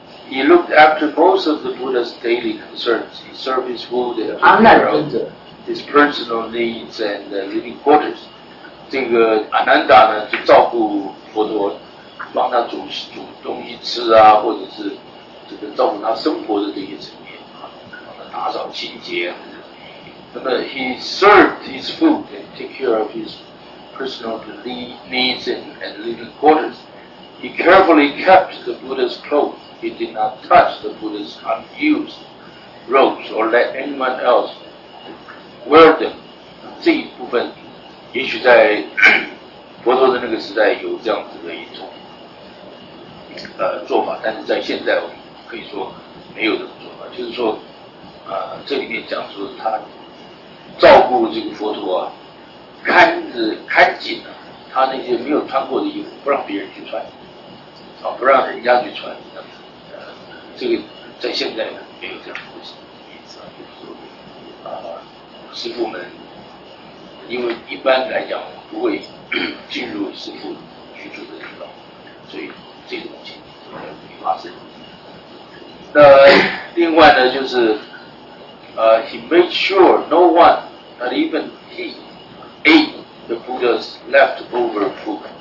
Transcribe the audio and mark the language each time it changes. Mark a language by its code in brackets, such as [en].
[en] He looked after most of the Buddha's daily concerns. He served his food, his personal needs, and living quarters. [zh] 这个 Ananda 呢，就照顾佛陀，帮他煮东西吃啊，或者是这个照顾他生活的这些层面啊，帮他打扫清洁啊。那么 [en] he served his food and take care of his personal needs and living quarters. He carefully kept the Buddha's clothes. He did not touch the Buddha's unused robes or let anyone else wear them. [zh] 这一部分也许在佛陀的那个时代有这样子的一种做法，但是在现在我们可以说没有这种做法。就是说这里面讲说他照顾这个佛陀啊，看紧啊他那些没有穿过的衣服，不让别人去穿啊，不让人家去穿。这个在现在没有这样的东西，意思啊，就是说，师父们，因为一般来讲不会进入师父居住的地方，所以这种情况会发生。那另外呢，就是 [en] he made sure no one, not even he, ate the Buddha's leftover food.